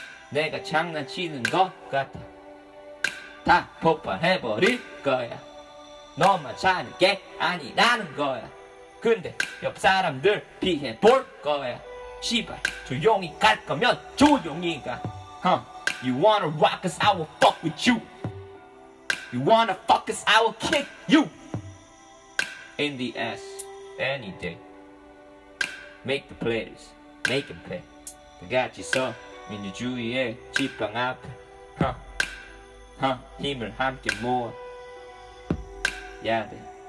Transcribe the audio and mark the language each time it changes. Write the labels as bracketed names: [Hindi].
[Korean] 내가 장난치는 것 같아. 다 폭발해버릴 거야. 너만 자는 게 아니라는 거야. 근데 옆 사람들 피해볼 거야. 시발 조용히 갈 거면 조용히 가. Huh. [English] You wanna rock us, I will fuck with you. You wanna fuck us, I will kick you in the ass any day. Make the players, make them pay. [Korean] 다 같이 서 민주주의의 지팡 앞에. Huh. Huh. 힘을 함께 모아. 야들